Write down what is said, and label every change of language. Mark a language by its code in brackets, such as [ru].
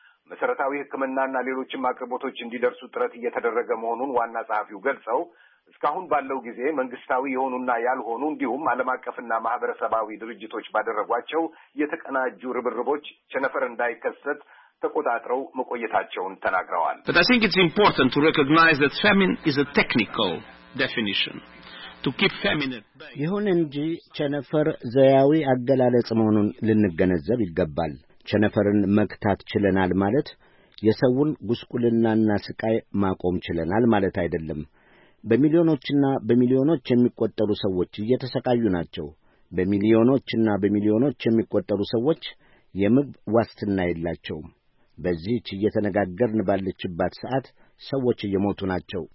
[am] መሰረታዊ ሕክምናና ሌሎችም አቅርቦቶች እንዲደርሱ ጥረት እየተደረገ መሆኑን ዋና ጸሐፊው ገልጸው እስካሁን ባለው ጊዜ መንግስታዊ የሆኑና ያልሆኑ እንዲሁም ዓለም አቀፍና ማህበረሰባዊ ድርጅቶች ባደረጓቸው የተቀናጁ ርብርቦች ቸነፈር እንዳይከሰት ተቆጣጥረው መቆየታቸውን ተናግረዋል። [en] But I think it's important to recognize that famine is a technical definition. To keep famine at bay. [am] ይሁን እንጂ ቸነፈር ዘያዊ አገላለጽ መሆኑን ልንገነዘብ ይገባል። ቸነፈርን መክታት ችለናል ማለት የሰውን ጉስቁልናና ስቃይ ማቆም ችለናል ማለት አይደለም። በሚሊዮኖችና በሚሊዮኖች የሚቆጠሩ ሰዎች እየተሰቃዩ ናቸው። በሚሊዮኖችና በሚሊዮኖች የሚቆጠሩ ሰዎች የምግብ ዋስትና የላቸውም። በዚህች እየተነጋገርን ባለችበት ሰዓት ሰዎች እየሞቱ ናቸው።